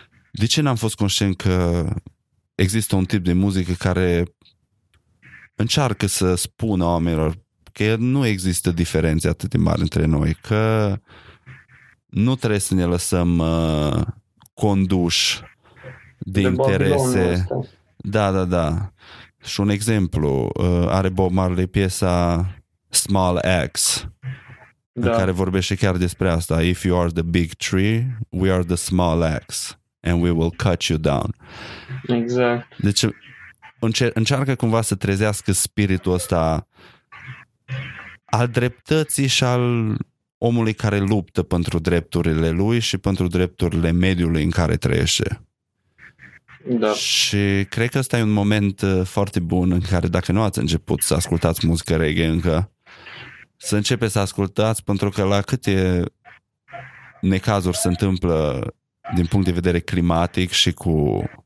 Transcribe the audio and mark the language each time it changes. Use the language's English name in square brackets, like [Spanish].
[Romanian] De ce n-am fost conștient că există un tip de muzică care încearcă să spună oamenilor că nu există diferențe atât de mari între noi, că nu trebuie să ne lăsăm conduși de interese. Da, da, da. Și un exemplu, are Bob Marley piesa Small Axe, da, în care vorbește chiar despre asta. [English] If you are the big tree, we are the small axe and we will cut you down. [Romanian] Exact. Deci încearcă cumva să trezească spiritul ăsta al dreptății și al omului care luptă pentru drepturile lui și pentru drepturile mediului în care trăiește. Da. Și cred că ăsta e un moment foarte bun în care, dacă nu ați început să ascultați muzică reggae încă, să începeți să ascultați, pentru că la câte necazuri se întâmplă din punct de vedere climatic și cu